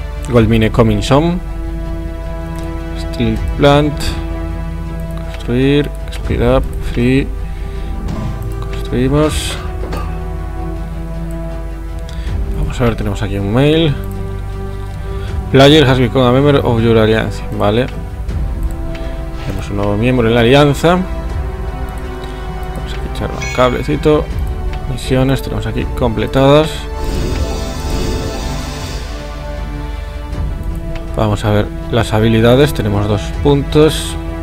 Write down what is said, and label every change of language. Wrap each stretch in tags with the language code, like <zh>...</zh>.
<en>Gold mine coming soon. Steel plant. Construir. Speed up. Free. Construimos.</en> <es>Vamos a ver, tenemos aquí un mail.</es> <en>Player has become a member of your alliance.</en> <es>Vale. Tenemos un nuevo miembro en la alianza. Cablecito, misiones tenemos aquí completadas. Vamos a ver las habilidades, tenemos 2 puntos.</es>